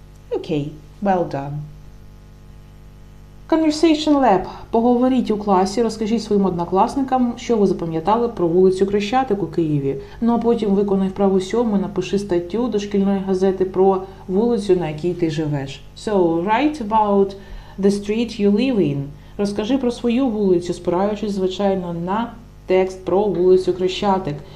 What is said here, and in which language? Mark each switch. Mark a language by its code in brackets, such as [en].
[en] Окей, well done. Conversation Lab. [uk] Поговоріть у класі, розкажіть своїм однокласникам, що ви запам'ятали про вулицю Хрещатик у Києві. Ну а потім виконай вправу сьому, напиши статтю до шкільної газети про вулицю, на якій ти живеш. [en] So, write about the street you live in. [uk] Розкажи про свою вулицю, спираючись, звичайно, на текст про вулицю Хрещатик.